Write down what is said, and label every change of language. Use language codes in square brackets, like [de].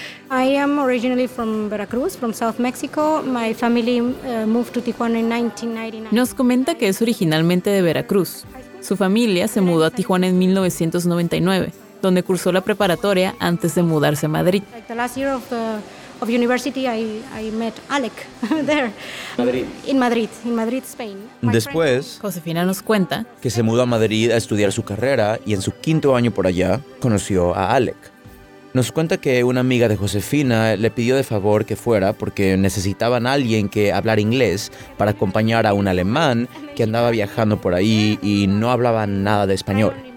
[en] I am originally from Veracruz, from South Mexico. My family moved to Tijuana in 1999. [es] Nos comenta que es originalmente de Veracruz. Su familia se mudó a Tijuana en 1999, donde cursó la preparatoria antes de mudarse a Madrid. [en] Like the last year of university, I met Alec there. In Madrid, Spain. [es] Después, Josefina nos cuenta que se mudó a Madrid a estudiar su carrera y en su quinto año por allá conoció a Alec. Nos cuenta que una amiga de Josefina le pidió de favor que fuera porque necesitaban a alguien que hablara inglés para acompañar a un alemán que andaba viajando por ahí y no hablaba nada de español.